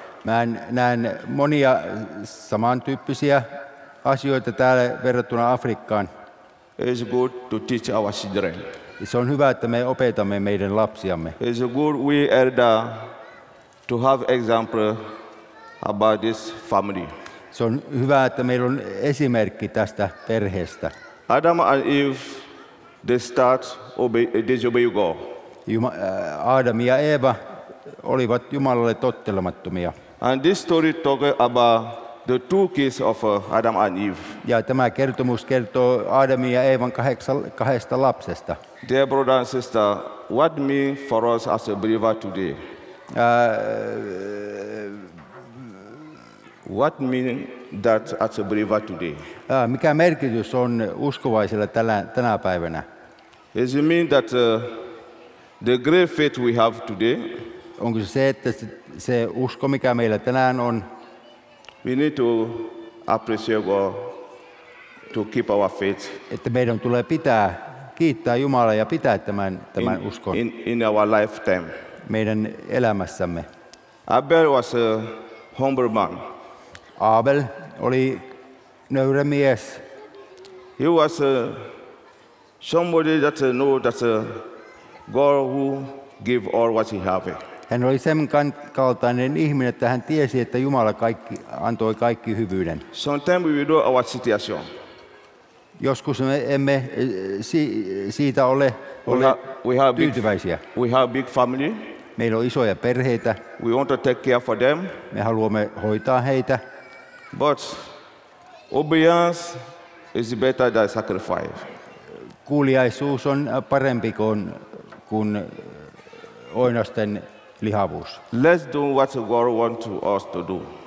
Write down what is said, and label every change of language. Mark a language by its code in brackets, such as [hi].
[fi] Mä näen monia samantyyppisiä asioita täällä verrattuna Afrikkaan. [en] It's good to teach our children. [fi] Se on hyvä, että me opetamme meidän lapsiamme. [en] It's good we elder to have example about this family. [fi] Se on hyvä, että meillä on esimerkki tästä perheestä. [en] Adam and Eve, they start disobey God. [fi] Adam ja Eeva olivat Jumalalle tottelemattomia. [en] And this story talks about the two kids of Adam and Eve. [fi] Ja tämä kertomus kertoo Adamin ja Eevan kahdesta lapsesta. [en] Dear brother and sister, what mean for us as a believer today? What mean that as a believer today? [fi] Mikä merkitys on uskovaisella tänä päivänä? [en] Does it mean that the great faith we have today? [fi] Onko se, että se usko, mikä meillä tänään on? [en] We need to appreciate God to keep our faith. [fi] Että meidän tulee kiittää Jumalaa ja pitää tämän uskon. [en] In our lifetime. [fi] Meidän elämässämme. [en] Abel was a humble man. [fi] Abel oli nöyrä mies. [en] He was somebody that knew that God who give all what he have. [fi] Hän oli sen kaltainen ihminen, että hän tiesi, että Jumala antoi kaikki hyvyyden. [en] Sometimes we do our situation. [fi] Joskus me emme siitä ole tyytyväisiä. [en] We have big family. [fi] Meillä on isoja perheitä. [en] We want to take care for them. [fi] Me haluamme hoitaa heitä. [en] But obedience is better than sacrifice. [fi] Kuuliaisuus on parempi kuin oinasten lihavuus. [en] Let's do what the God wants us to do.